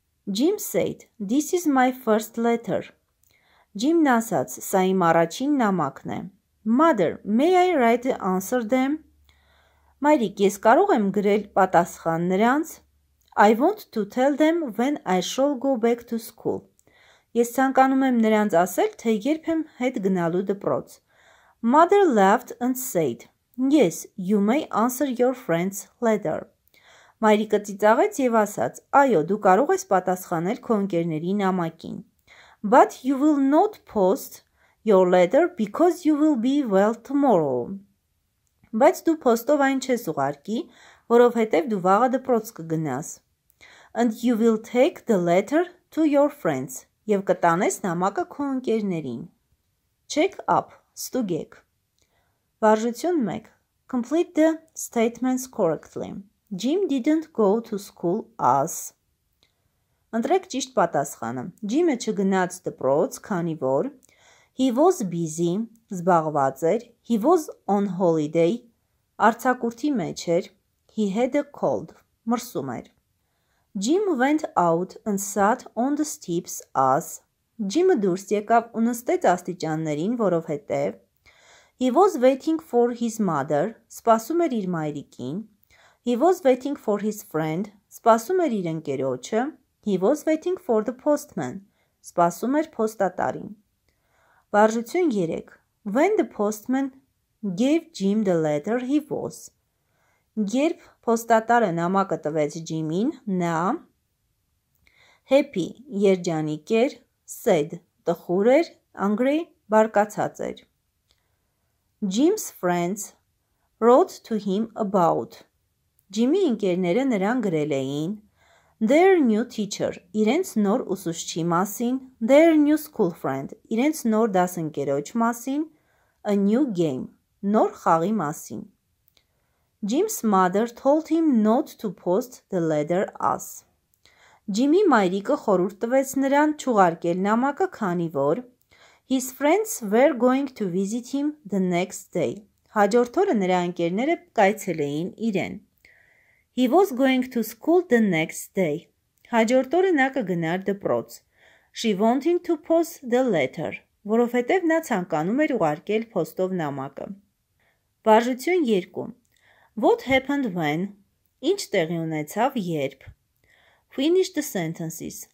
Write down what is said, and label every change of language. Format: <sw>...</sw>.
<en>Jim said, This is my first letter.</en> <hy>Jim-ն ասաց, սա իմ առաջին նամակն է.</hy> <en>Mother, may I write the answer them?</en> <hy>Մայրիկ, ես կարող եմ գրել պատասխան նրանց.</hy> <en>I want to tell them when I shall go back to school.</en> <hy>Ես ցանկանում եմ նրանց ասել, թե երբ եմ հետ գնալու դպրոց.</hy> <en>Mother laughed and said, Yes, you may answer your friend's letter.</en> <hy>Մայրիկը ծիծաղեց եւ ասաց, Այո, դու կարող ես պատասխանել քո ընկերների նամակին.</hy> <en>But you will not post your letter because you will be well tomorrow.</en> <hy>Բայց դու post-ով այն չես ուղարկի, որովհետեւ դու վաղը դպրոց կգնաս.</hy> <en>And you will take the letter to your friends.</en> <hy>Եվ կտանես նամակը քո ընկերներին.</hy> <en>Check up.</en> <hy>Ստուգեք։ Վարժություն 1.</hy> <en>Complete the statements correctly. Jim didn't go to school as.</en> <hy>Ընտրեք ճիշտ պատասխանը։ Jim-ը չգնաց դպրոց, քանի որ</hy> <en>he was busy,</en> <hy>զբաղված էր,</hy> <en>he was on holiday,</en> <hy>արձակուրդի մեջ էր,</hy> <en>he had a cold,</en> <hy>մրսում էր։</hy> <en>Jim went out and sat on the steps as.</en> <hy>Jim-ը դուրս եկավ ու նստեց աստիճաններին, որովհետև</hy> <en>He was waiting for his mother,</en> <hy>սպասում էր իր մայրիկին.</hy> <en>He was waiting for his friend,</en> <hy>սպասում էր իր ընկերոջը.</hy> <en>He was waiting for the postman,</en> <hy>սպասում էր փոստատարին. Վարժություն 3.</hy> <en>When the postman gave Jim the letter, he was.</en> <hy>Երբ փոստատարը նամակը տվեց Jim-ին, նա</hy> <en>happy,</en> <hy>երջանիկ էր,</hy> <en>sad,</en> <hy>տխուր էր,</hy> <en>angry,</en> <hy>բարկացած էր.</hy> <en>Jim's friends wrote to him about.</en> <hy>Jim-ի ընկերները նրան գրել էին.</hy> <en>Their new teacher,</en> <hy>իրենց նոր ուսուցչի մասին.</hy> <en>Their new school friend,</en> <hy>իրենց նոր դասընկերոջ մասին.</hy> <en>A new game,</en> <hy>նոր խաղի մասին.</hy> <en>Jim's mother told him not to post the letter as.</en> <hy>Jim-ի մայրիկը խորհուրդ տվեց նրան չուղարկել նամակը, քանի որ</hy> <en>His friends were going to visit him the next day.</en> <hy>Հաջորդ օրը նրա ընկերները կայցելեին իրեն.</hy> <en>He was going to school the next day.</en> <hy>Հաջորդ օրը նա կգնար դպրոց.</hy> <en>She wanted to post the letter,</en> <hy>որովհետև նա ցանկանում էր ուղարկել փոստով նամակը. Վարժություն 2.</hy> <en>What happened when?</en> <hy>Ինչ տեղի ունեցավ երբ?</hy> <en>Finish the sentences.</en>